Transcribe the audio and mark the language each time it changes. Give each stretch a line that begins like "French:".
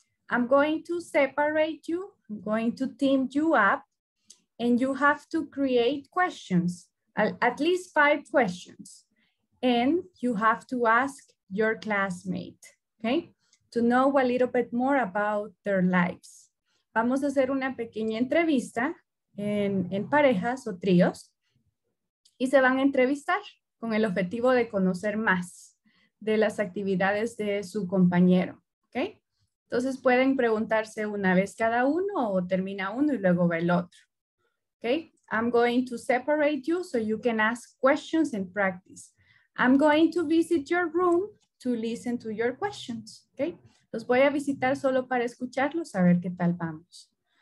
English: I'm going to separate you. I'm going to team you up and you have to create questions, at least 5 questions. And you have to ask your classmate, okay? To know a little bit more about their lives.
Spanish: Vamos a hacer una pequeña entrevista en parejas o tríos y se van a entrevistar con el objetivo de conocer más de las actividades de su compañero, okay? Entonces pueden preguntarse una vez cada uno o termina uno y luego va el otro.
English: Okay, I'm going to separate you so you can ask questions and practice. I'm going to visit your room to listen to your questions.
Spanish: Okay, los voy a visitar solo para escucharlos, a ver qué tal vamos.